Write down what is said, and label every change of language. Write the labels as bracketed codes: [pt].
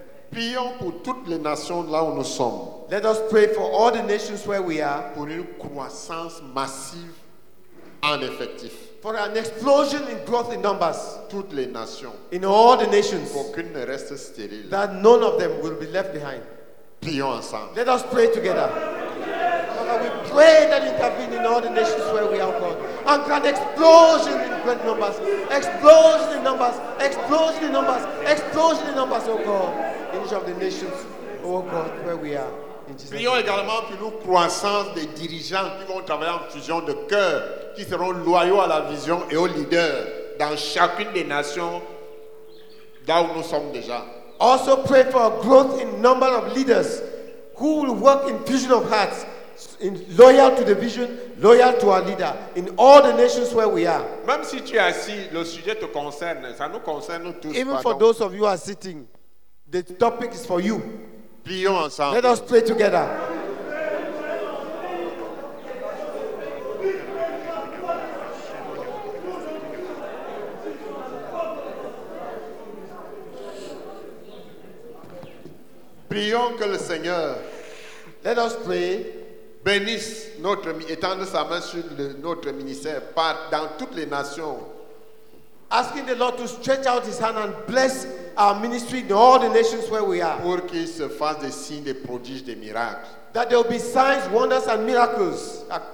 [fr] Prions pour toutes les nations là où nous sommes. [en] Let us pray for all the nations where we are. [fr] Pour une croissance massive en effectif. [en] For an explosion in growth in numbers. [fr] Toutes les nations. [en] In all the nations. [fr] Pour qu'une ne reste stérile. [en] That none of them will be left behind. [fr] Prions ensemble. [en] Let us pray together. We pray that intervene in all the nations where we are, God, and grant explosion in great numbers, explosion in numbers, explosion in numbers, explosion in numbers, oh God, in each of the nations, oh God, where we are. [fr] Prions également pour nous croissance des dirigeants qui vont travailler en fusion de cœur, qui seront loyaux à la vision et aux leaders dans chacune des nations là où nous sommes déjà. [en] Also pray for a growth in number of leaders who will work in fusion of hearts. In loyal to the vision, loyal to our leader, in all the nations where we are. [fr] Même si tu es assis, le sujet te concerne, ça nous concerne tous. [en] Even pardon. For those of you who are sitting, the topic is for you. [fr] Prions ensemble. [en] Let us pray together. [fr] Prions que le Seigneur. [en] Let us pray. [fr] Bénisse notre, étendre sa main sur le, notre ministère par, dans toutes les nations. [en] Asking the Lord to stretch out his hand and bless our ministry in all the nations where we are. [fr] Pour qu'il se fasse des signes, des prodiges, des miracles. [en] That there will be signs, wonders and miracles.